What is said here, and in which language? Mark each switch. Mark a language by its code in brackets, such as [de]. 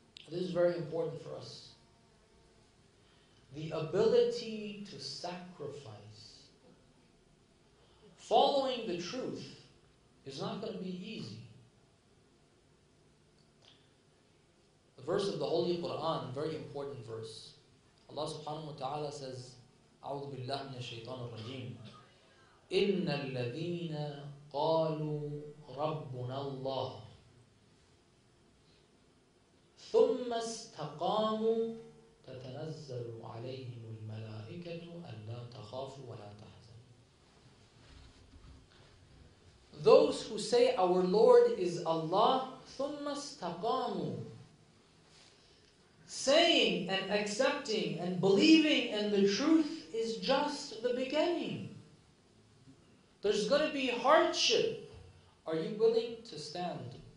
[en] This is very important for us. The ability to sacrifice. Following the truth is not going to be easy. Verse of the Holy Quran, very important verse. [ar] Allah subhanahu wa ta'ala says, أعوذ بالله من الشيطان الرجيم إن الذين قالوا ربنا الله ثم استقاموا تتنزل عليهم الملائكة ألا تخافوا ولا تحزن. [en] Those who say our Lord is Allah, [ar] ثم استقاموا, [en] saying and accepting and believing in the truth is just the beginning. There's going to be hardship. Are you willing to stand?